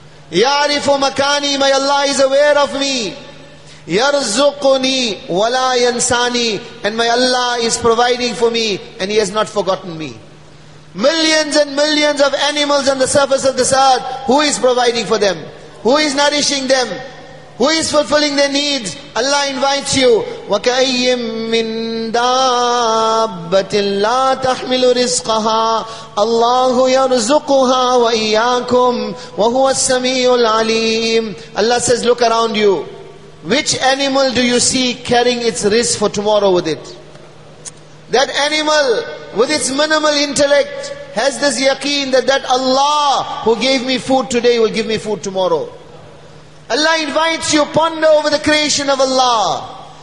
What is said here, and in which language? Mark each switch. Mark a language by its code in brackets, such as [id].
[ar] Ya'rifu makani, [en] my Allah is aware of me. [ar] Yarzuquni wala yansani, [en] and my Allah is providing for me, and He has not forgotten me. Millions and millions of animals on the surface of this earth, who is providing for them? Who is nourishing them? Who is fulfilling their needs? Allah invites you. [ar] وَكَأَيِّمْ مِنْ دَابَّةٍ لَا تَحْمِلُ رِزْقَهَا اللَّهُ يَرْزُقُهَا وَإِيَّاكُمْ وَهُوَ السَّمِيعُ الْعَلِيمُ [en] Allah says, look around you. Which animal do you see carrying its risk for tomorrow with it? That animal with its minimal intellect, has this yaqeen that Allah who gave me food today will give me food tomorrow. Allah invites you, ponder over the creation of Allah.